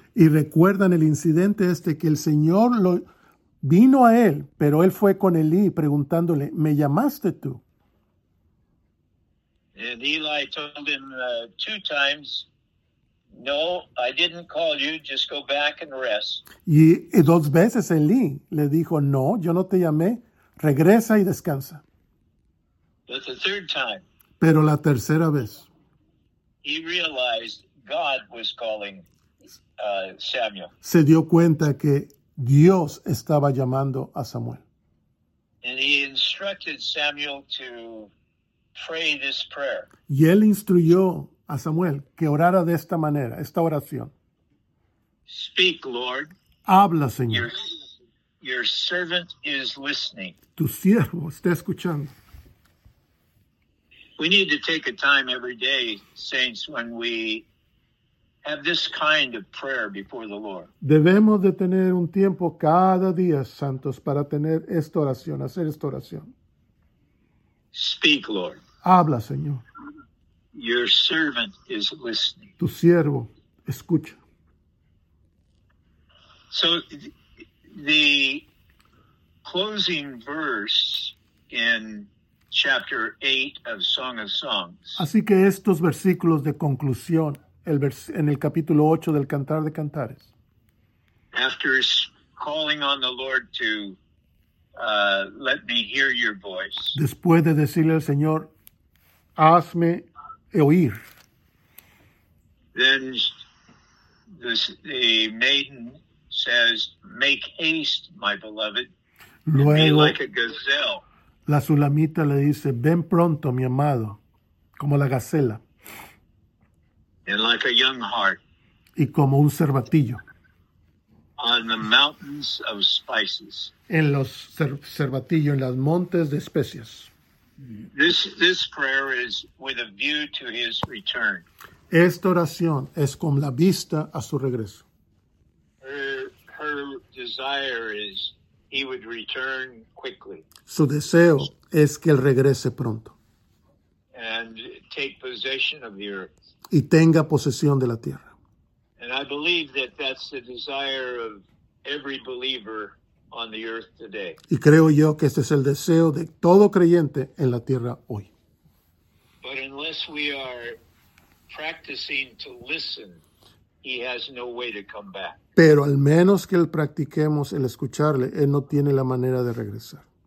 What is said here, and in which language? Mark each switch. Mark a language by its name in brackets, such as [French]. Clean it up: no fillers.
[Spanish] Y recuerdan el incidente este que el Señor lo vino a él, pero él fue con Eli preguntándole, ¿me llamaste tú? [English] And Eli told him two times, "No, I didn't call you, just go back and rest." [Spanish] Y dos veces Eli le dijo, "No, yo no te llamé, regresa y descansa." [English] But the third time, [Spanish] pero la tercera vez, [English] he realized God was calling Samuel. [Spanish] Se dio cuenta que Dios estaba llamando a Samuel. [English] And he instructed Samuel to pray this prayer. [Spanish] Y él instruyó a Samuel que orara de esta manera, esta oración. [English] Speak, Lord. [Spanish] Habla, Señor. [English] Your, Your servant is listening. [Spanish] Tu siervo está escuchando. [English] We need to take a time every day, saints, when we have this kind of prayer before the Lord. [Spanish] Debemos de tener un tiempo cada día, santos, para tener esta oración, hacer esta oración. [English] Speak, Lord. [Spanish] Habla, Señor. [English] Your servant is listening. [Spanish] Tu siervo escucha. [English] So the closing verse in chapter 8 of Song of Songs. [Spanish] Así que estos versículos de conclusión, en el capítulo 8 del Cantar de Cantares. [English] After calling on the Lord to let me hear your voice. [Spanish] Después de decirle al Señor, hazme oír. [English] Then the maiden says, make haste, my beloved. [Spanish] Luego, [English] be like a gazelle. [Spanish] La Sulamita le dice, ven pronto, mi amado, como la gacela. [English] And like a young hart. [Spanish] Y como un cervatillo. [English] On the mountains of spices. [Spanish] En los cervatillos, en las montes de especias. [English] This prayer is with a view to his return. [Spanish] Esta oración es con la vista a su regreso. [English] Her desire is he would return quickly. [Spanish] Su deseo es que él regrese pronto. [English] And take possession of the earth. [Spanish] Y tenga posesión de la tierra. [English] And I believe that that's the desire of every believer on the earth today. [Spanish] Y creo yo que este es el deseo de todo creyente en la tierra hoy. [English] But unless we are practicing to listen, he has no way to come back. [Spanish] Pero al menos que el practiquemos el escucharle, él no tiene la manera de regresar.